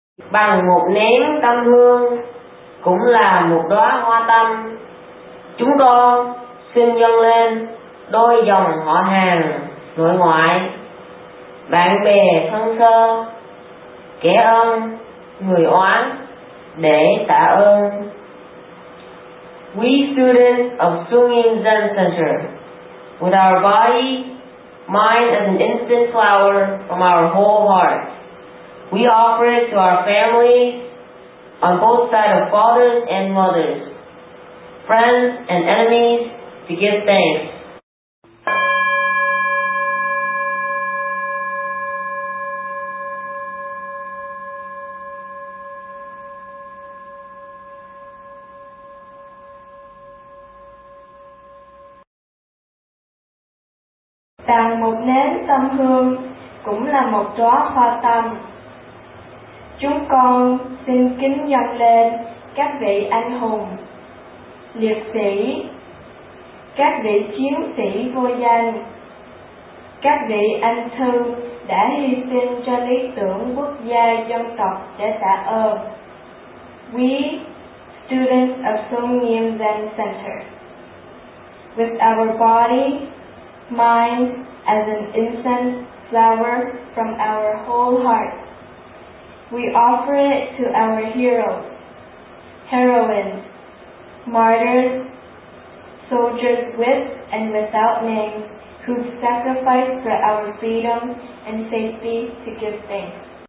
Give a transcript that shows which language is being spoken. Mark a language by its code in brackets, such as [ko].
[vi] Bằng một nén tâm hương, cũng là một đóa hoa tâm, chúng con xin dâng lên đôi dòng họ hàng, nội ngoại, bạn bè thân sơ, kẻ ơn, người oán, để tạ ơn. [en] We students of Sumin Zen Center, with our body, mind as an incense flower from our whole heart, we offer it to our families, on both sides of fathers and mothers, friends and enemies, to give thanks. [vi] Tàn một nén tâm hương cũng là một đóa hoa tâm. Chúng con xin kính dâng lên các vị anh hùng, liệt sĩ, các vị chiến sĩ vô danh, các vị anh thư đã hy sinh cho lý tưởng quốc gia dân tộc để tạ ơn. [en] We, students of Song Nghiêm Zen Center, with our body, mind as an incense flower from our whole heart, we offer it to our heroes, heroines, martyrs, soldiers with and without names who sacrificed for our freedom and safety to give thanks.